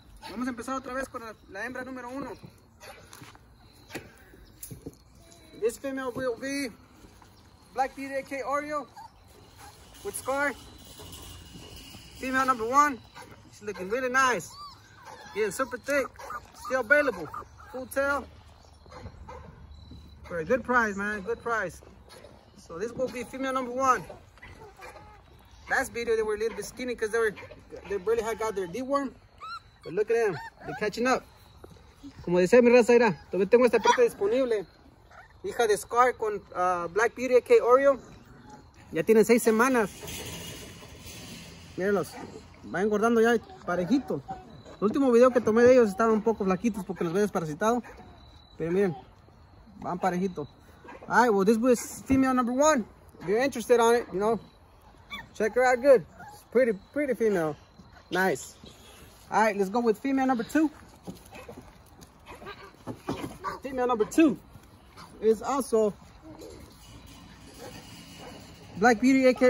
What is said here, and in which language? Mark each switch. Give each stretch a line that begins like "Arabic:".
Spanish: Vamos a empezar otra vez con la hembra número uno.
English: This female will be Black Beauty, a.k.a. Oreo, with Scar. Female number one. She's looking really nice. Yeah, super thick. Still available. Full tail. For a good price, man. Good price. So this will be female number one. Last video, they were a little bit skinny because they really had got their deworm. But look at them. They're catching up.
Spanish: Como decía mi raza, mira, todavía tengo esta parte disponible. Hija de Scar con Black Beauty, a.k.a. Oreo. Ya tiene 6 semanas. Míralos. Va engordando ya parejito. El último video que tomé de ellos estaban un poco flaquitos porque los veo desparasitado. Pero miren, van parejito.
English: Alright, well, this was female number one. If you're interested on it, you know, check her out good. It's pretty female. Nice. Alright, let's go with female number two. Female number two. Is also Black Beauty, a.k.a.